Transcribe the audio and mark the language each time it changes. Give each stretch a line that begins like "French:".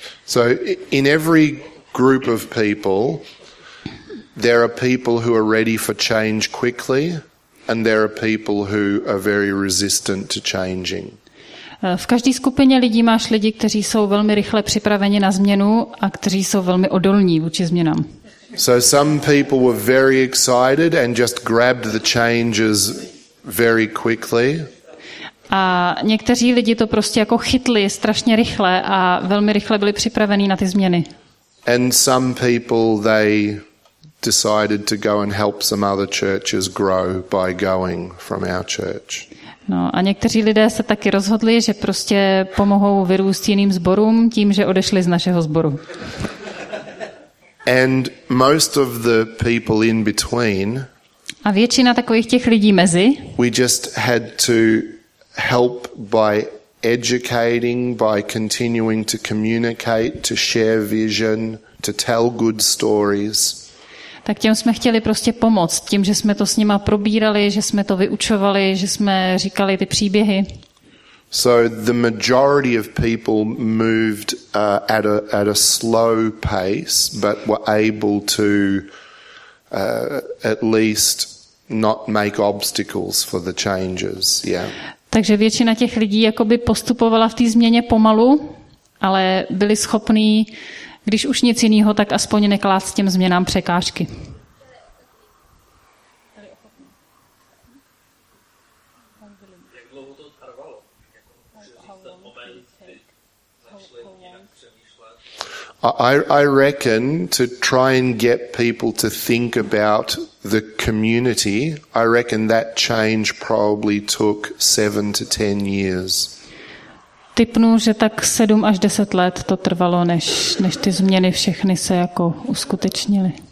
English: So in every group of people, there are people who are ready for change quickly, and there are people who are very resistant to changing.
Czech: V každé skupině lidí máš lidi, kteří jsou velmi rychle připraveni na změnu a kteří jsou velmi odolní vůči změnám.
English: So some people were very excited and just grabbed the changes very quickly.
Czech: A někteří lidi to prostě jako chytli strašně rychle a velmi rychle byli připraveni na ty změny.
English: And some people they decided to go and help some other churches grow by going from our church.
Czech: No, a někteří lidé se taky rozhodli, že prostě pomohou vyrůst jiným sborům tím, že odešli z našeho sboru.
English: And most of the people in between.
Czech: A většina takových těch lidí mezi.
English: We just had to help by educating, by continuing to communicate, to share vision, to tell good stories.
Czech: Tak těm jsme chtěli prostě pomoct, tím, že jsme to s nima probírali, že jsme to vyučovali, že jsme říkali ty příběhy.
English: So the majority of people moved at a slow pace, but were able to at least not make obstacles for the changes. Yeah.
Czech: Takže většina těch lidí jakoby postupovala v té změně pomalu, ale byli schopní, když už nic jiného, tak aspoň neklást těm změnám překážky.
English: I reckon to try and get people to think about the community, I reckon that change probably took 7 to 10 years.
Czech: Tipnu, že tak 7 až 10 let to trvalo, než ty změny všechny se jako uskutečnily.